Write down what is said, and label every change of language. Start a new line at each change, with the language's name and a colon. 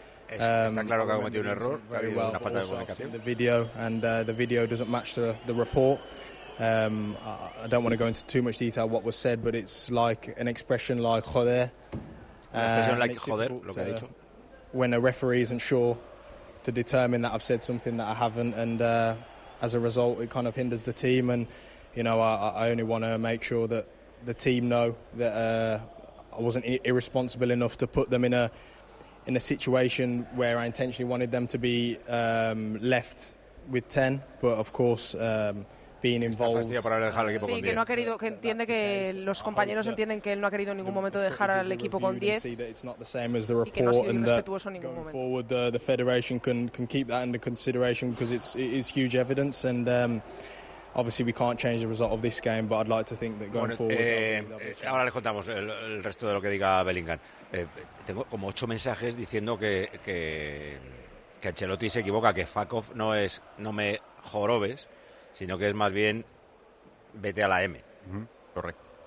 Spanish: Está claro que ha cometido un error, ha habido una falta de comunicación.
English: The video and the video doesn't match the report. I don't want to go into too much detail what was said, but it's like an expression like joder. Expression like joder,
Spanish: lo que ha dicho.
English: When a referee isn't sure to determine that I've said something that I haven't, and as a result, it kind of hinders the team. And you know, I only want to make sure that the team know that I wasn't irresponsible enough to put them in a situation where I intentionally wanted them to be left with 10, but of course being involved.
Spanish: Sí, que no ha querido, que entiende que los compañeros entienden que él no ha querido en ningún momento dejar al equipo con 10. Y que no ha sido irrespetuoso en ningún momento.
English: The federation can keep that under consideration because it is huge evidence and obviously we can't change the result of this game, but I'd like to think that going forward.
Spanish: Ahora les contamos el resto de lo que diga Bellingham. Tengo como 8 mensajes diciendo que Ancelotti se equivoca, que Fakov no es no me jorobes, sino que es más bien vete a la M. Uh-huh. Correcto.